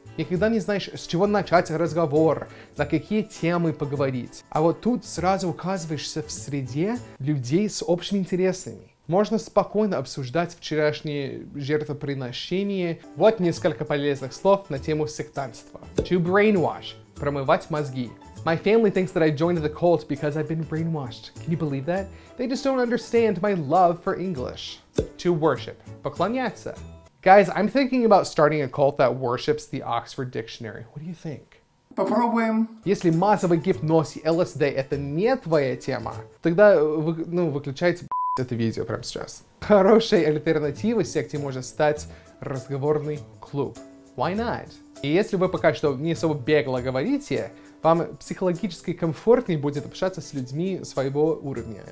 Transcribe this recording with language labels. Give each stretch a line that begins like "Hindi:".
Russian: Никогда не знаешь, с чего начать разговор, на какие темы поговорить. А вот тут сразу оказываешься в среде людей с общими интересами. Можно спокойно обсуждать вчерашние жертвоприношения. Вот несколько полезных слов на тему сектантства. To brainwash – промывать мозги.
English: My family thinks that I joined the cult because I've been brainwashed. Can you believe that? They just don't understand my love for English. To worship.
Russian: Поклоняться.
English: Guys, I'm thinking about starting a cult that worships the Oxford Dictionary. What do you think?
Russian: Попробуем. Если массовый гипноз и LSD — это не твоя тема, тогда, ну, выключайте это видео прямо сейчас. Хорошей альтернативой секте может стать разговорный клуб.
English: Why not?
Russian: И если вы пока что не особо бегло говорите, вам психологически комфортнее будет общаться с людьми своего уровня.